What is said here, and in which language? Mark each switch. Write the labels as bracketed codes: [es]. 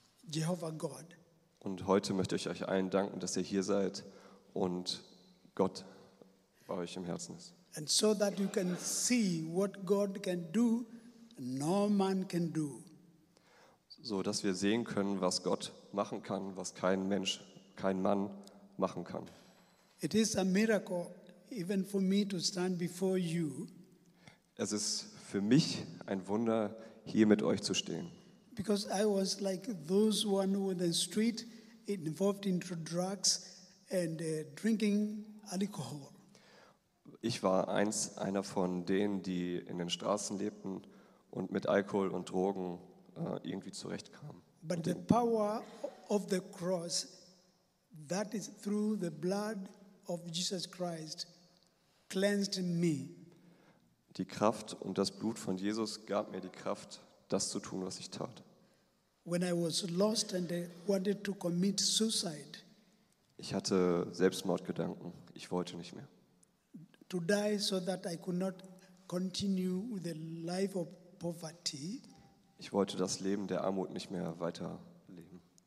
[en] Jehovah God. [de] Und heute möchte ich euch allen danken, dass ihr hier seid und Gott bei euch im Herzen ist. [en] And so that you can see what God can do, no man can do. [de] So dass wir sehen können, was Gott machen kann, was kein Mensch, kein Mann machen kann. [en] It is a miracle even for me to stand before you. [de] Es ist für mich ein Wunder, hier mit euch zu stehen. [en] Because I was like those one who were in the street involved in drugs and drinking alcohol. [de] Ich war einer von denen, die in den Straßen lebten und mit Alkohol und Drogen irgendwie zurechtkamen. [en] But the power of the cross, that is through the blood of Jesus Christ, cleansed me. [de] Die Kraft und das Blut von Jesus gab mir die Kraft, das zu tun, was ich tat. [en] When I was lost and I wanted to commit suicide. [de] Ich hatte Selbstmordgedanken. Ich wollte nicht mehr. [en] To die so that I could not continue with the life of poverty. [de] Ich wollte das Leben der Armut nicht mehr weiterleben.